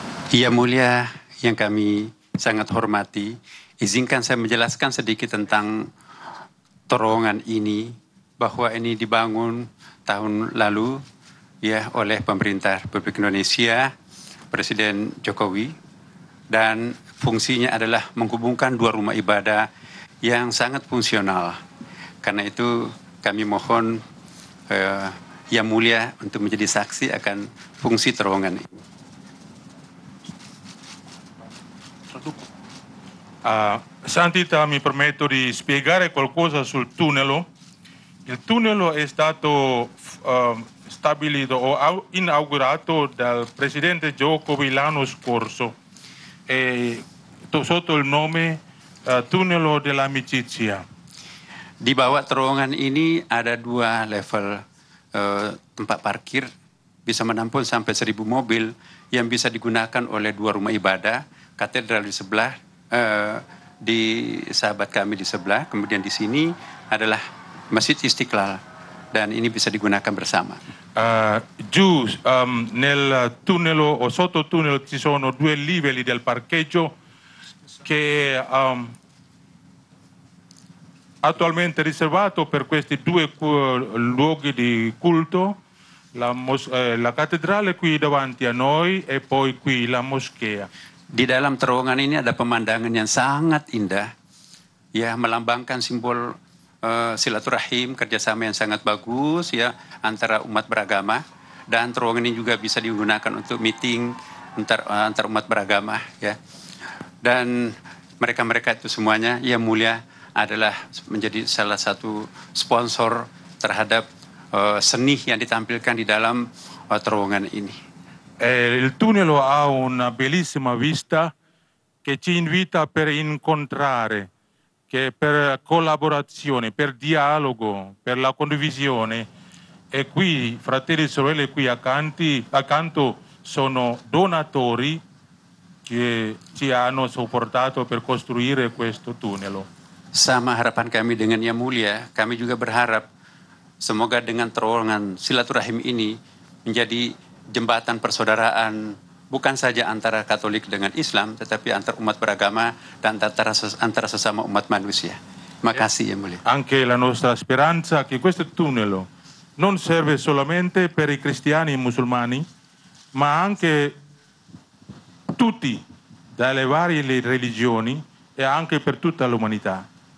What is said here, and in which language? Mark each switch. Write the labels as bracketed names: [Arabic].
[Indonesian] Ya Mulia, yang kami sangat hormati, izinkan saya menjelaskan sedikit tentang terowongan ini, bahwa ini dibangun tahun lalu ya oleh pemerintah Republik Indonesia, Presiden Jokowi, dan fungsinya adalah menghubungkan dua rumah ibadah yang sangat fungsional. Karena itu kami mohon Yang Mulia untuk menjadi saksi akan fungsi terowongan ini. [Italian] Santità mi permetto di spiegare qualcosa sul tunnel. Il tunnel è stato stabilito o inaugurato dal presidente Jokowi l'anno scorso e sotto il nome tunnel dell'amicizia. [Indonesian] Di bawah terowongan ini ada dua level tempat parkir, bisa menampung sampai 1000 mobil yang bisa digunakan oleh dua rumah ibadah. Katedral di sebelah, di sahabat kami di sebelah, kemudian di sini adalah Masjid Istiqlal, dan ini bisa digunakan bersama. [Italian] Nel tunnel o sotto tunnel ci sono due livelli del parcheggio che attualmente riservato per questi due luoghi di culto, la cattedrale qui davanti a noi e poi qui la moschea. [Indonesian] Di dalam terowongan ini ada pemandangan yang sangat indah, ya, melambangkan simbol silaturahim, kerjasama yang sangat bagus, ya, antara umat beragama. Dan terowongan ini juga bisa digunakan untuk meeting antar umat beragama, ya. Dan mereka-mereka itu semuanya, Yang Mulia, adalah menjadi salah satu sponsor terhadap seni yang ditampilkan di dalam terowongan ini. [Italian] Il tunnel ha una bellissima vista che ci invita per incontrare, che per collaborazione, per dialogo, per la condivisione. E qui, fratelli e sorelle, qui accanto sono donatori che ci hanno supportato per costruire questo tunnel. [Indonesian] Sama harapan kami dengan Yang Mulia, kami juga berharap semoga dengan terowongan silaturahim ini menjadi jembatan persaudaraan bukan saja antara Katolik dengan Islam, tetapi antar umat beragama dan antara sesama umat manusia. Makasih Yang Mulia. [Italian] Anche la nostra speranza che questo tunnel non serve solamente per i cristiani e musulmani, ma anche tutti dalle varie religioni e anche per tutta l'umanità.